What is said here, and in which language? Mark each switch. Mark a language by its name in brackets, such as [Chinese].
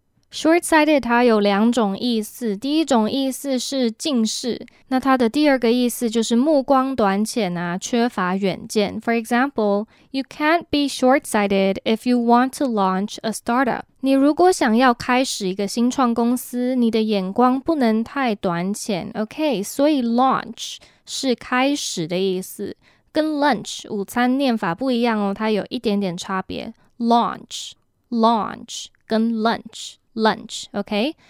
[Chinese] short-sighted 它有两种意思，第一种意思是近视，那它的第二个意思就是目光短浅啊，缺乏远见。 [English] For example, you can't be short-sighted if you want to launch a startup. [Chinese] 你如果想要开始一个新创公司，你的眼光不能太短浅。 OK, 所以 launch 是开始的意思，跟 lunch 午餐念法不一样哦，它有一点点差别。 launch 跟 lunch, OK?